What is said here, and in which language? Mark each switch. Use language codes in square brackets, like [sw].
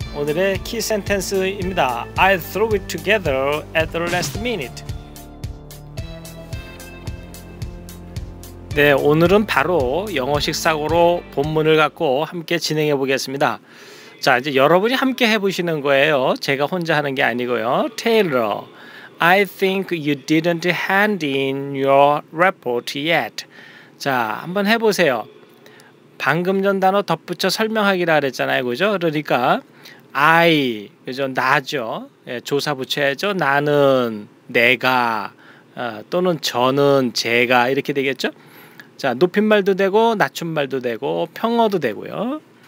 [ko] 오늘의 키 센텐스입니다. [en] I throw it together at the last minute. [ko] 네, 오늘은 바로 영어식 사고로 본문을 갖고 함께 진행해 보겠습니다. 자, 이제 여러분이 함께 해보시는 거예요. 제가 혼자 하는 게 아니고요. [en] 테일러, I think you didn't hand in your report yet. [ko] 자, 한번 해보세요. 방금 전 단어 덧붙여 설명하기라 그랬잖아요, 그죠? 그러니까 I, 그죠? 나죠. 예, 조사 붙여야죠. 나는, 내가, 또는 저는, 제가 이렇게 되겠죠? 자, 높임말도 되고 낮춤말도 되고 평어도 되고요.